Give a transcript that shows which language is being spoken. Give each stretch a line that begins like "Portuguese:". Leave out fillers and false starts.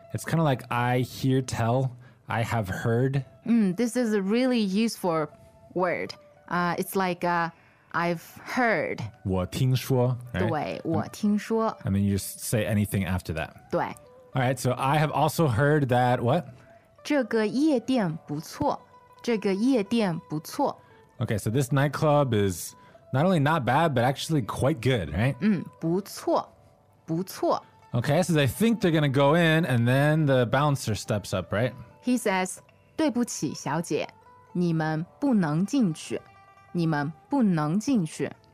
English: It's kind of like I hear tell, I have heard. This is a really useful word. It's like I've heard.
Chinese: 我听说, right? 对,我听说.
English: And then you just say anything after that.
Chinese: 对.
English: All right, so I have also heard that what?
Chinese: 这个夜店不错,这个夜店不错.
English: Okay, so this nightclub is not only not bad, but actually quite good, right?
Chinese: 不错,不错.
English: Okay, so they think they're going to go in, and then the bouncer steps up, right? He says,
Chinese: 对不起,小姐,你们不能进去,你们不能进去.